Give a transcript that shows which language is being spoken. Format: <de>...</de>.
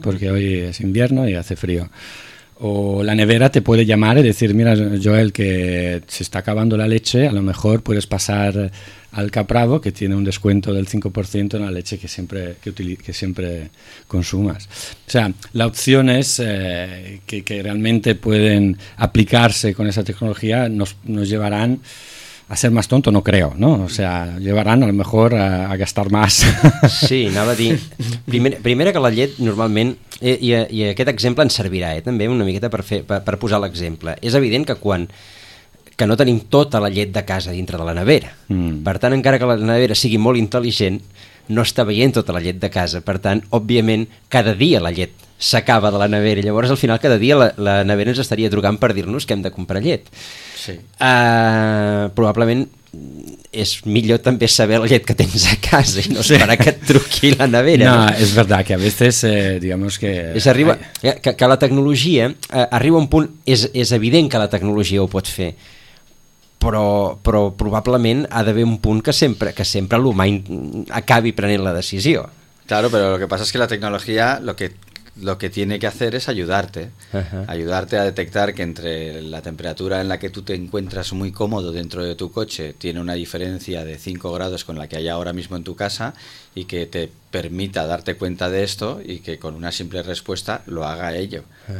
<es>Porque hoy es invierno y hace frío. O la nevera te puede llamar y decir, mira, Joel, que se está acabando la leche, a lo mejor puedes pasar al Capravo, que tiene un descuento del 5% en la leche que siempre consumas. O sea, las opciones que realmente pueden aplicarse con esa tecnología nos llevarán a ser más tonto, no creo, ¿no? O sea, llevarán a lo mejor a gastar más.</es> <ca>Sí, anava a dir, primera que la llet normalment, i aquest exemple ens servirà també una miqueta per posar l'exemple, és evident que que no tenim tota la llet de casa dintre de la nevera. Per tant, encara que la nevera sigui molt intel·ligent, no està veient tota la llet de casa. Per tant, òbviament, cada dia la llet s'acaba de la nevera. Llavors, al final, cada dia la nevera ens estaria trucant per dir-nos que hem de comprar llet. Sí. Probablement és millor també saber la llet que tens a casa i no esperar que et truqui la nevera. No, és veritat que a vegades,</ca> <es>digamos que...</es> <ca>Que la tecnologia arriba a un punt, és evident que la tecnologia ho pot fer, però probablement ha d'haver un punt que sempre l'humà acabi prenent la decisió.</ca> <es>Claro, pero lo que pasa es que la tecnología lo que tiene que hacer es ayudarte. Ajá. Ayudarte a detectar que entre la temperatura en la que tú te encuentras muy cómodo dentro de tu coche tiene una diferencia de 5 grados con la que hay ahora mismo en tu casa, y que te permita darte cuenta de esto y que con una simple respuesta lo haga ello. Ajá.</es>